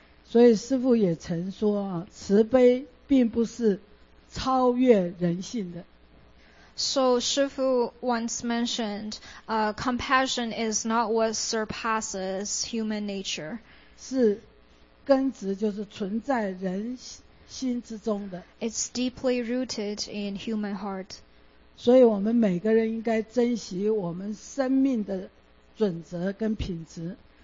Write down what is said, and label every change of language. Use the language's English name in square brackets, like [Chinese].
[Chinese] 所以师父也曾说，慈悲并不是超越人性的。 [English] So Shifu once mentioned, compassion is not what surpasses human nature. [Chinese] 是根植就是存在人心之中的。 [English] It's deeply rooted in human heart. [Chinese] 所以我们每个人应该珍惜我们生命的准则跟品质。